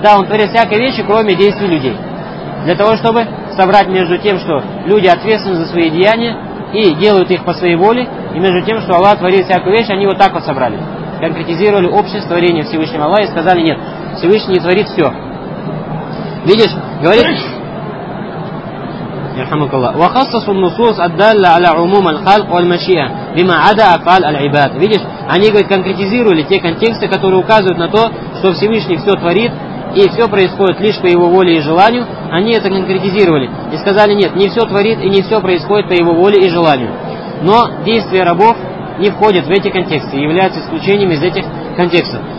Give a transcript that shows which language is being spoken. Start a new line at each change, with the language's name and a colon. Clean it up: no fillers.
Russian: Да, он творит всякие вещи, кроме действий людей. Для того, чтобы собрать между тем, что люди ответственны за свои деяния и делают их по своей воле, и между тем, что Аллах творит всякую вещь, они вот так вот собрали. Конкретизировали общее творение Всевышнего Аллаха и сказали, нет, Всевышний не творит все. Видишь, говорит...
Arabic: وخصصوا النصوص الدالة على عموم الخلق والمشيئة بما عدا أفعال العباد.
Russian: Видишь, они говорят, конкретизировали те контексты, которые указывают на то, что Всевышний все творит и все происходит лишь по его воле и желанию. Они это конкретизировали и сказали, нет, не все творит и не все происходит по его воле и желанию. Но действия рабов не входят в эти контексты, являются исключением из этих контекстов.